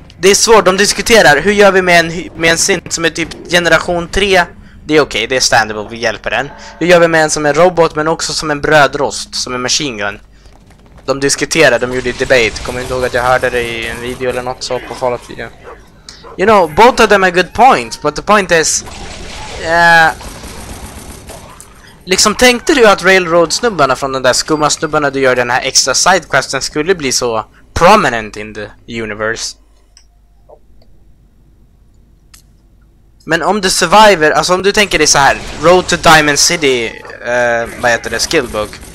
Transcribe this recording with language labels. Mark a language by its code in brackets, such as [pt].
[sv] Det är svårt, de diskuterar, hur gör vi med en synt som är typ generation 3? Det är okej, det är standable, vi hjälper den. Hur gör vi med en som är robot, men också som en brödrost, som en machine gun? De diskuterar, de gjorde debate. Kommer inte ihåg att jag hörde det i en video eller något så på Fallout 4. [en] You know, both of them are good points, but the point is... [sv] Liksom, tänkte du att Railroad-snubbarna från den där skumma snubbarna du gör den här extra sidequesten skulle bli så prominent [en] in the universe? [sv] Men om du survivor, alltså om du tänker dig så här, Road to Diamond City, vad heter det, skillbook.